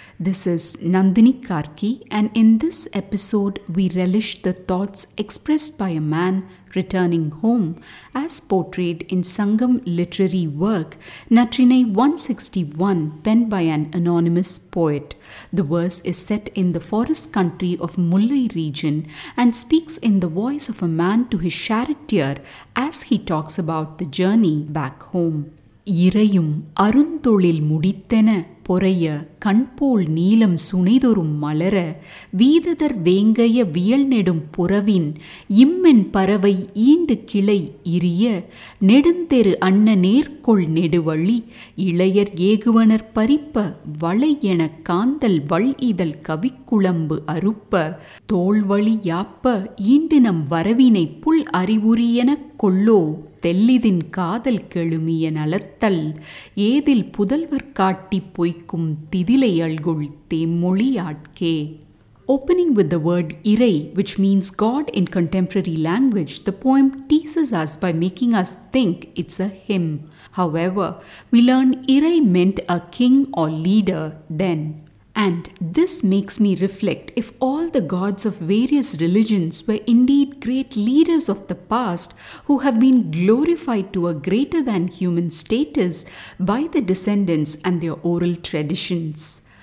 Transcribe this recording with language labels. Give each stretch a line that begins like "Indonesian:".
English: This is Nandini Karki, and in this episode we relish the thoughts expressed by a man returning home as portrayed in Sangam literary work Natrinai 161, penned by an anonymous poet. The verse is set in the forest country of Mullai region and speaks in the voice of a man to his charioteer as he talks about the journey back home.
Tamil: இறையும் அருந்தொழில் முடித்தென பொறைய கண்போல் நீளம் சுனைதொரும் மலர வீததர் வேங்கைய வியல் நெடும் புறவின் இம்மென் பறவை ஈண்டு கிளை இரிய நெடுந்தெரு அன்ன நேர்கொள் நெடுவழி இளையர் ஏகுவனர் பறிப்ப வளை எனக் காந்தல் வள் இதழ் கவிக்குழம்பு அறுப்ப தோல்வழி யாப்ப ஈண்டு நம் வரவினை புல் அறிவுரியெனக் கொள்ளோ தெல்லிதின் காதல் கெழுமிய நலத்தல் ஏதில் புதல்வர் காட்டி பொய்க்கும் திதிலை அல்குள் தேம்மொழியாட்கே.
English: Opening with the word irai, which means God in contemporary language, the poem teases us by making us think it's a hymn. However, we learn irai meant a king or leader then. And this makes me reflect, if all the gods of various religions were indeed great leaders of the past who have been glorified to a greater than human status by the descendants and their oral traditions.